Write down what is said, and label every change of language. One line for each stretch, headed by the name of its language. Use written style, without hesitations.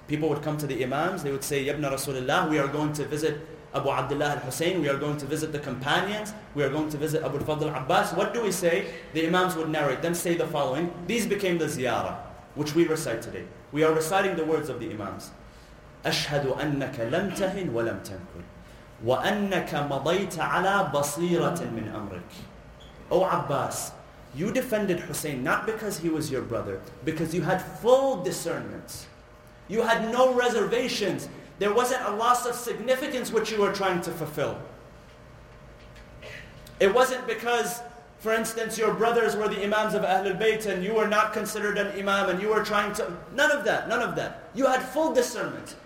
English: People would come to the imams, they would say, Yabna Rasulullah, we are going to visit Abu Abdullah al-Hussein, we are going to visit the companions, we are going to visit Abu al-Fadl al-Abbas. What do we say? The imams would narrate, then say the following. These became the ziyarah, which we recite today. We are reciting the words of the imams.
Arabic: أشهد أنك لم تهن ولم تنكر وأنك مضيت على بصيرة من أمرك.
English: O Abbas, you defended Hussein not because he was your brother, because you had full discernment. You had no reservations. There wasn't a loss of significance which you were trying to fulfill. It wasn't because, for instance, your brothers were the imams of Ahlul Bayt and you were not considered an imam and you were trying to... None of that. You had full discernment.